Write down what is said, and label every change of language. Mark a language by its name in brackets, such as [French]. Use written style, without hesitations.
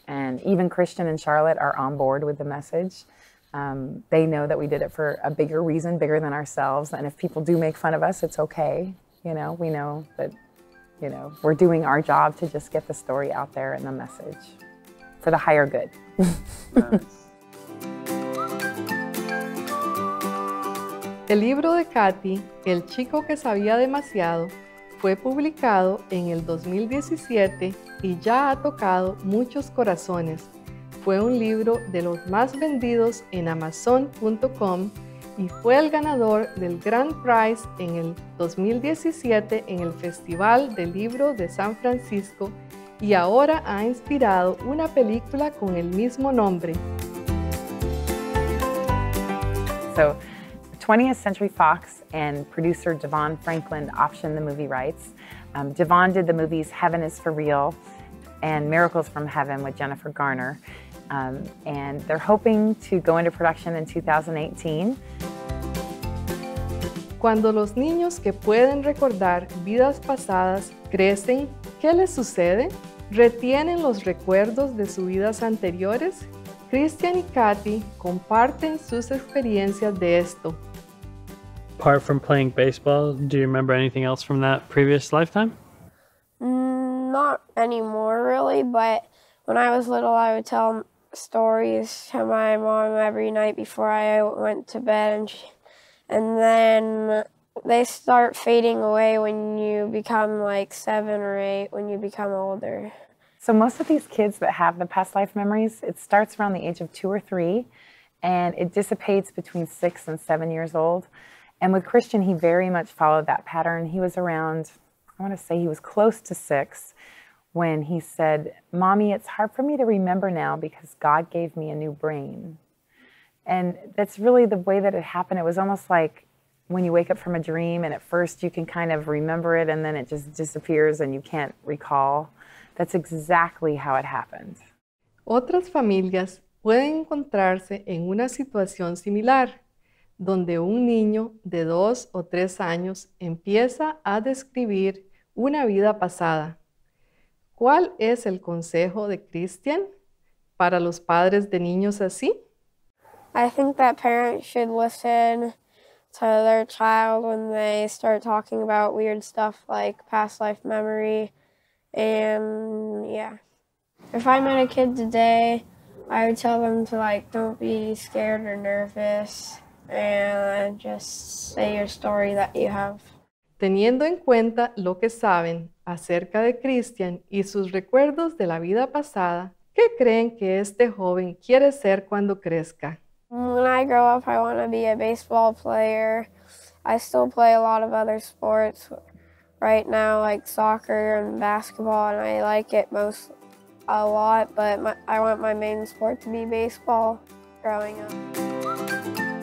[English] And even Christian and Charlotte are on board with the message. They know that we did it for a bigger reason, bigger than ourselves. And if people do make fun of us, it's okay. You know, we know that, you know, we're doing our job to just get the story out there and the message for the higher good. [Spanish] El libro de Kathy, El chico que sabía demasiado, fue publicado en el 2017 y ya ha tocado muchos corazones. Fue un libro de los más vendidos en Amazon.com y fue el ganador del Grand Prize en el 2017 en el Festival del Libro de San Francisco y ahora ha inspirado una película con el mismo nombre. [English] So, 20th Century Fox and producer Devon Franklin optioned the movie rights. Devon did the movies Heaven is for Real and Miracles from Heaven with Jennifer Garner. And they're hoping to go into production in 2018. [Spanish] Cuando los niños que pueden recordar vidas pasadas crecen, ¿qué les sucede? ¿Retienen los recuerdos de sus vidas anteriores? Christian y Kathy comparten sus experiencias de esto. [English] Apart from playing baseball, do you remember anything else from that previous lifetime? Not anymore, really, but when I was little, I would tell stories to my mom every night before I went to bed, and then they start fading away when you become like 7 or 8, when you become older. So most of these kids that have the past life memories, it starts around the age of 2 or 3, and it dissipates between 6 and 7 years old. And with Christian, he very much followed that pattern. He was around, I want to say he was close to 6, when he said, "Mommy, it's hard for me to remember now because God gave me a new brain." And that's really the way that it happened. It was almost like when you wake up from a dream and at first you can kind of remember it and then it just disappears and you can't recall. That's exactly how it happened. [Spanish] Otras familias pueden encontrarse en una situación similar, donde un niño de 2 o 3 años empieza a describir una vida pasada. ¿Cuál es el consejo de Christian para los padres de niños así? [English] I think that parents should listen to their child when they start talking about weird stuff like past life memory. And yeah. If I met a kid today, I would tell them to like, don't be scared or nervous. And just say your story that you have. [Spanish] Teniendo en cuenta lo que saben acerca de Christian y sus recuerdos de la vida pasada, ¿qué creen que este joven quiere ser cuando crezca? [English] When I grow up, I want to be a baseball player. I still play a lot of other sports right now, like soccer and basketball, and I like it most a lot, but I want my main sport to be baseball growing up.